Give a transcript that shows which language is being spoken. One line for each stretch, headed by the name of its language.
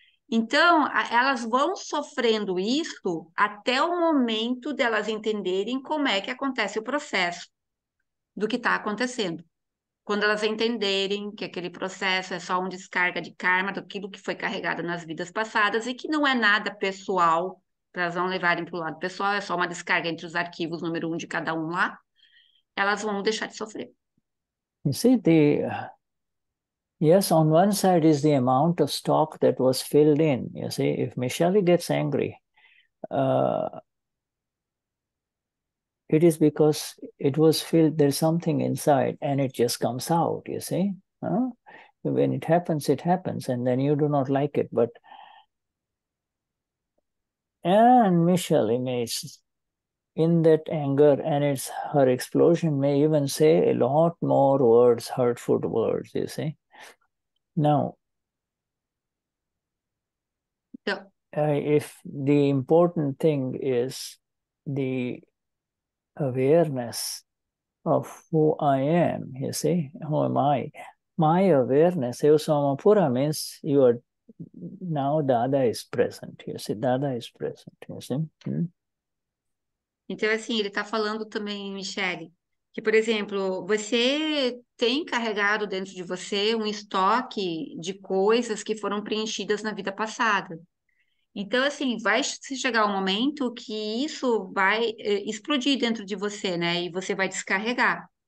Portuguese: Então, elas vão sofrendo isso até o momento delas entenderem como é que acontece o processo do que está acontecendo. Quando elas entenderem que aquele processo é só um descarga de karma daquilo que foi carregado nas vidas passadas e que não é nada pessoal, para elas não levarem para o lado pessoal, é só uma descarga entre os arquivos número um de cada um lá, elas vão deixar de sofrer.
English: You see, yes, on one side is the amount of stock that was filled in. You see, if Michelle gets angry, it is because it was filled, there's something inside and it just comes out, you see. Huh? When it happens and then you do not like it. But, and Michelle may, in that anger and it's her explosion, may even say a lot more words, hurtful words, you see. Now, if the important thing is the awareness of who I am, you see, who am I? My awareness,
Portuguese: eu sou uma pura,
English: means you are now Dada is present, you see, Dada is present, you see.
Portuguese: Então, assim, ele está falando também, Michelle, que, por exemplo, você tem carregado dentro de você um estoque de coisas que foram preenchidas na vida passada. Então, assim, vai chegar um momento que isso vai explodir dentro de você, né? E você vai descarregar.